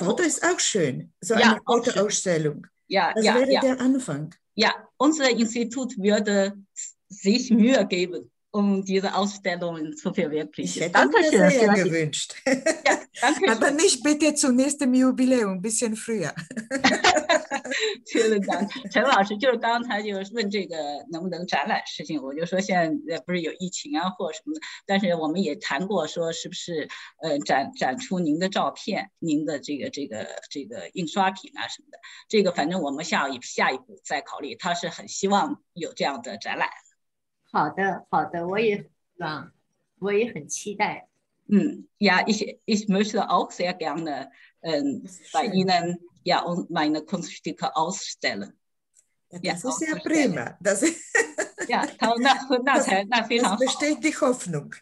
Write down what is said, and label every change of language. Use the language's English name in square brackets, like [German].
[German] Foto ist auch schön, so ja, eine Fotoausstellung. Ja, das ja, wäre ja. der Anfang. Ja, unser Institut würde sich Mühe geben, um diese Ausstellungen zu verwirklichen. Ich hätte danke mir sehr gewünscht. Ja, danke aber schön. Nicht bitte zum nächsten Jubiläum, ein bisschen früher. Vielen Dank. [Chinese] Chen 老师就是刚才就问这个能不能展览事情，我就说现在不是有疫情啊或什么的，但是我们也谈过说是不是展出您的照片，您的这个印刷品啊什么的，这个反正我们下一步再考虑。他是很希望有这样的展览。好的，好的，我也很期待。 [German] 嗯 ，Ja, ich möchte auch sehr gerne, bei Ihnen. Ja, und meine Kunststücke ausstellen. Ja, das ja, ist ja prima. Das, ja, na, das, das besteht die Hoffnung.